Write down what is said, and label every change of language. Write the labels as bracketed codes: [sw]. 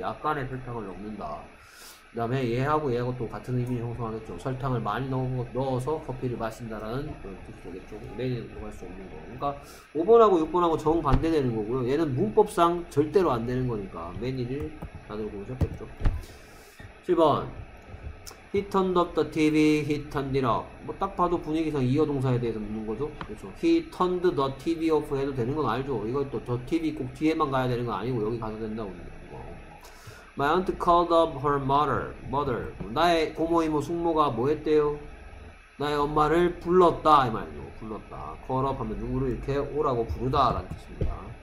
[ko] 약간의 설탕을 넣는다. 그 다음에 얘하고 또 같은 의미를 형성하겠죠. 설탕을 많이 넣어서 커피를 마신다라는 뜻이 되겠죠. 메뉴는 들어갈 수 없는 거. 그러니까 5번하고 6번하고 정반대되는 거고요. 얘는 문법상 절대로 안 되는 거니까 메뉴를 다들 고르셨겠죠. 7번. [en] He turned up the TV, he turned it up. [ko] 뭐 딱 봐도 분위기상 이어 동사에 대해서 묻는 거죠. 그렇죠. [en] He turned the TV off [ko] 해도 되는 건 알죠. 이것도 저 TV 꼭 뒤에만 가야 되는 건 아니고 여기 가도 된다고. [en] My aunt called up her mother. [ko] 나의 고모, 이모, 숙모가 뭐 했대요? 나의 엄마를 불렀다. 이 말이죠. 불렀다. call up 하면 누구를 이렇게 오라고 부르다. 라는 뜻입니다.